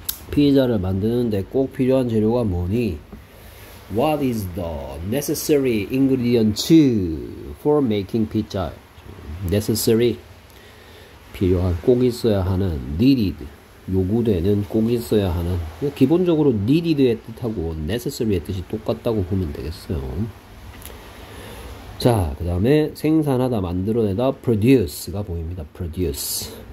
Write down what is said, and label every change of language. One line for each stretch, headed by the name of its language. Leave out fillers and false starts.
Korean: 피자를 만드는데 꼭 필요한 재료가 뭐니?
English: What is the necessary ingredient for making pizza?
Korean: Necessary. 필요한, 꼭 있어야 하는, needed. 요구되는, 꼭 있어야 하는. 기본적으로 needed의 뜻하고 necessary의 뜻이 똑같다고 보면 되겠어요. 자, 그 다음에 생산하다, 만들어내다, produce가 보입니다. produce.